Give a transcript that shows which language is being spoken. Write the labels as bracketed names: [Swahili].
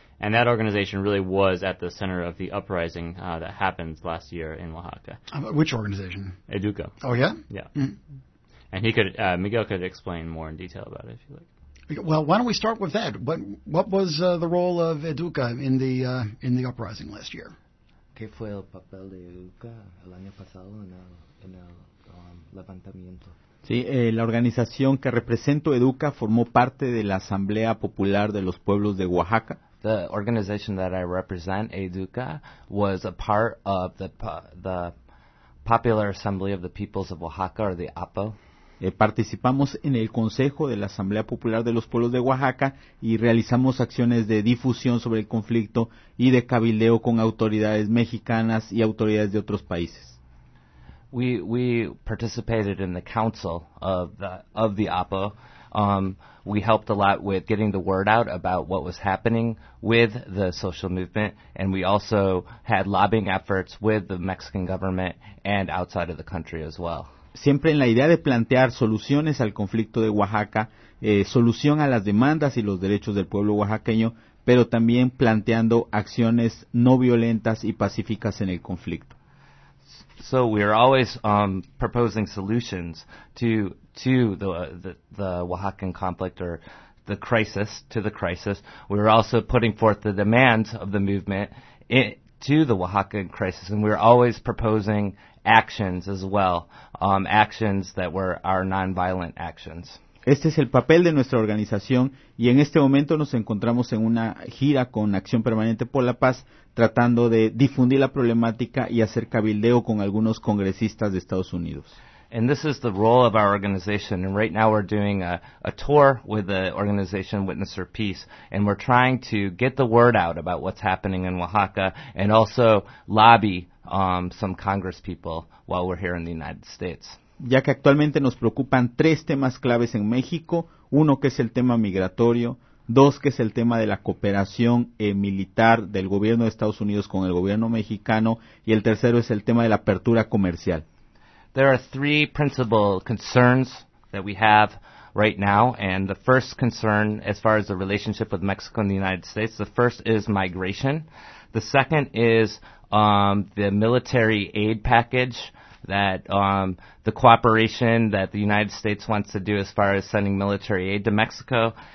[English] And that organization really was at the center of the uprising that happened last year in Oaxaca. Which organization? Educa. Oh, yeah? Yeah. Mm-hmm. And he could Miguel could explain more in detail about it, if you like. Well, why don't we start with that? What was the role of Educa in the uprising last year? [Spanish] ¿Qué fue el papel de Educa el año pasado en el levantamiento? Sí, la organización que represento, Educa, formó parte de la Asamblea Popular de los Pueblos de Oaxaca. [English] The organization that I represent, Educa, was a part of the Popular Assembly of the Peoples of Oaxaca, or the APO. [Spanish] Participamos en el Consejo de la Asamblea Popular de los Pueblos de Oaxaca y realizamos acciones de difusión sobre el conflicto y de cabildeo con autoridades mexicanas y autoridades de otros países. [English] We participated in the council of the APO. We helped a lot with getting the word out about what was happening with the social movement, and we also had lobbying efforts with the Mexican government and outside of the country as well. [Spanish] Siempre en la idea de plantear soluciones al conflicto de Oaxaca, solución a las demandas y los derechos del pueblo oaxaqueño, pero también planteando acciones no violentas y pacíficas en el conflicto. [English] So we are always proposing solutions to the Oaxacan conflict or the crisis, to the crisis. We are also putting forth the demands of the movement to the Oaxacan crisis, and we are always proposing actions as well, actions that were our nonviolent actions. [Spanish] Este es el papel de nuestra organización y en este momento nos encontramos en una gira con Acción Permanente por la Paz tratando de difundir la problemática y hacer cabildeo con algunos congresistas de Estados Unidos. [English] And this is the role of our organization, and right now we're doing a tour with the organization Witness for Peace, and we're trying to get the word out about what's happening in Oaxaca and also lobby some congresspeople while we're here in the United States. [Spanish] Ya que actualmente nos preocupan tres temas claves en México, uno que es el tema migratorio, dos que es el tema de la cooperación militar del gobierno de Estados Unidos con el gobierno mexicano, y el tercero es el tema de la apertura comercial. [English] There are three principal concerns that we have right now, and the first concern as far as the relationship with Mexico and the United States, the first is migration. The second is the military aid package, that the cooperation that the United States wants to do as far as sending military aid to Mexico.